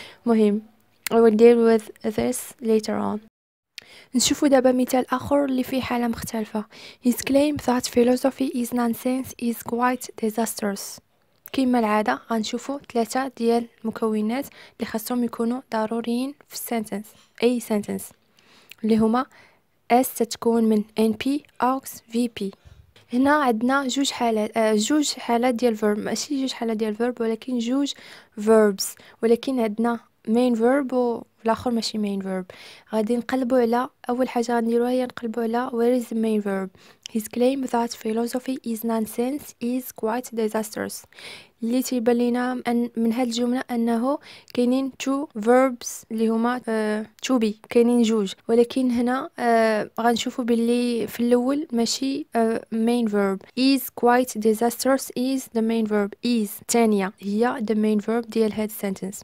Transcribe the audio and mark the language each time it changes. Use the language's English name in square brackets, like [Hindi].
[English] مهم I will deal with this later on. [Arabic] نشوفوا دابا مثال اخر اللي فيه حاله مختلفه. [English] his claim that philosophy is nonsense is quite disastrous. [Arabic] كما العاده غنشوفوا ثلاثه ديال المكونات اللي خاصهم يكونوا ضروريين في sentence، اي sentence، اللي هما S تتكون من NP AUX VP. هنا عندنا جوج حالات ديال verb، ماشي جوج حالات ديال verb ولكن جوج verbs، ولكن عندنا main verb والاخر ماشي main verb. غادي نقلبو على اول حاجة غنديروها هي نقلبو على [English] where is the main verb. his claim that philosophy is nonsense is quite disastrous. [Arabic] اللي تيبان لينا من هاد الجملة انه كاينين [English] two verbs [Arabic] اللي هما to be، كاينين جوج، ولكن هنا غنشوفو باللي في الاول ماشي main verb. [English] is quite disastrous is the main verb، is [Arabic] تانية هي [English] the main verb ديال هاد sentence.